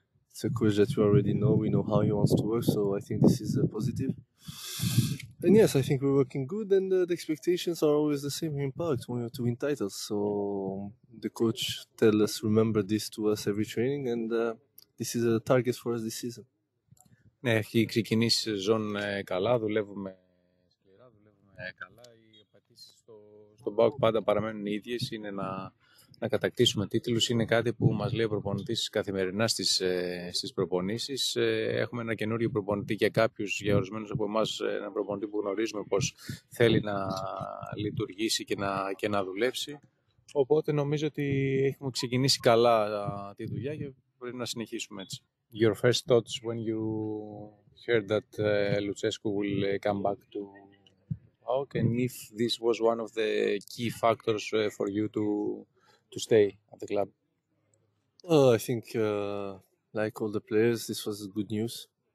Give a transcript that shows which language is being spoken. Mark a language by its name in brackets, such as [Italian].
[English] It's a coach that we already know. We know how he wants to work. So I think this is a positive. And yes, I think we're working good, and the expectations are always the same in Park, when you have to win titles. So the coach tells us, remember this to us every training, and this is a target for us this season. [Greek] Ναι, έχει ξεκινήσει η σεζόν καλά, δουλεύουμε σκληρά, δουλεύουμε καλά. Οι απαιτήσεις στο Park πάντα παραμένουν οι ίδιες, είναι να κατακτήσουμε τίτλους. Είναι κάτι που μας λέει ο προπονητής καθημερινά στις προπονήσεις. Έχουμε ένα καινούριο προπονητή και κάποιους, για ορισμένους από εμάς, ένα προπονητή που γνωρίζουμε πως θέλει να λειτουργήσει και να δουλέψει. Οπότε νομίζω ότι έχουμε ξεκινήσει καλά τη δουλειά και πρέπει να συνεχίσουμε έτσι. [English] Your first thoughts when you heard that Lucescu will come back to Auk, and if this was one of the key factors for you to stay at the club? I think, like all the players, this was good news.